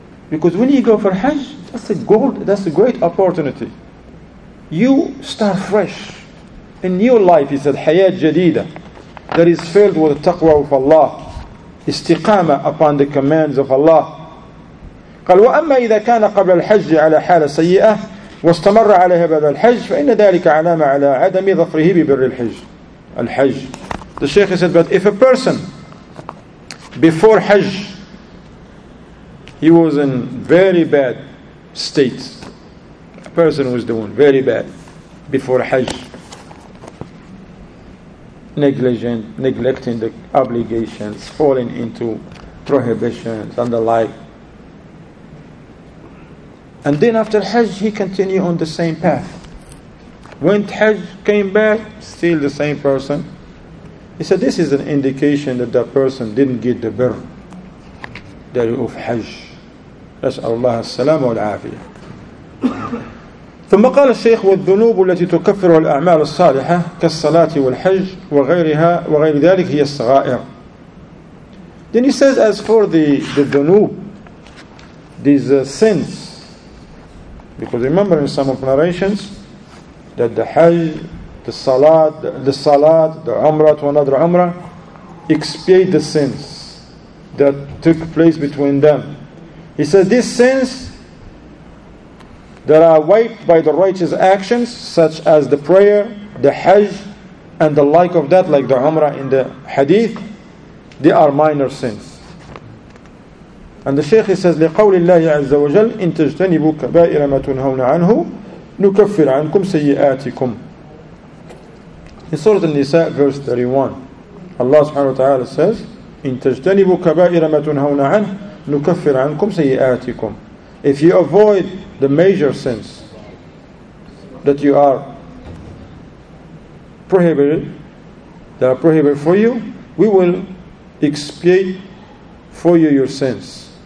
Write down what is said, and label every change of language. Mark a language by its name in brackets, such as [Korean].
[English] Because when you go for Hajj, that's a great opportunity. You start fresh. A new life, he said, [Arabic] Hayat Jadida, [English] that is filled with the taqwa of Allah, istiqama upon the commands of Allah. [Arabic] قال وأما إذا كان قبل الحج على حالة سيئة واستمر عليها بعد الحج فإن ذلك علامة على عدم ظفره ببر الحج. الحج. [English] The Sheikh said, but if a person before Hajj he was in very bad state, a person was doing very bad before Hajj, negligent, neglecting the obligations, falling into prohibitions and the like. And then after Hajj, he continued on the same path. Went Hajj, came back, still the same person. He said, this is an indication that that person didn't get the birr, that of Hajj. [Arabic] أسأل الله السلام والعافية. ثم قال الشيخ والذنوب التي تكفر الأعمال الصالحة كالصلاة والحج وغيرها وغير ذلك هي الصغائر. [English] Then he says, as for the ذنوب, these sins, because remember in some of the narrations that the Hajj, the Salat, the Umrah to another Umrah expiate the sins that took place between them. He said these sins that are wiped by the righteous actions such as the prayer, the Hajj and the like of that, like the Umrah in the Hadith, they are minor sins. And the Shaykh says, [Arabic] لِقَوْلِ اللَّهِ عَزَّ وَجَلْ إِن تَجْتَنِبُوا كَبَائِرَ مَا تُنْهَوْنَ عَنْهُ نُكَفِّرْ عَنْكُمْ سَيِّئَاتِكُمْ. [English] In Surah An-Nisa, verse 31, Allah subhanahu wa ta'ala says, [Arabic] إِن تَجْتَنِبُوا كَبَائِرَ مَا تُنْهَوْنَ عَنْهُ نُكَفِّرْ عَنْكُمْ سَيِّئَاتِكُمْ. [English] If you avoid the major sins that you are prohibited, that are prohibited for you, we will expiate for you your sins.